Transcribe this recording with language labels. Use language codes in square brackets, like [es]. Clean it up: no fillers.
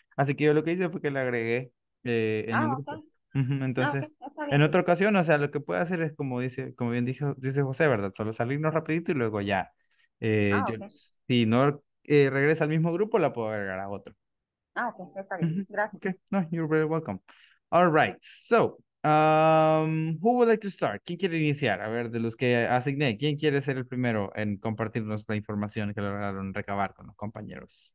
[es] Así que yo lo que hice fue que le agregué en el grupo. Okay. Entonces, en otra ocasión, o sea, lo que puede hacer es como bien dice José, ¿verdad? Solo salirnos rapidito y luego ya. Si no regresa al mismo grupo, la puedo agregar a otro. Ah, ok, está bien. Gracias. [en] Okay, no, you're very welcome. All right, so, who would like to start? [es] ¿Quién quiere iniciar? A ver, de los que asigné, ¿quién quiere ser el primero en compartirnos la información que lograron recabar con los compañeros?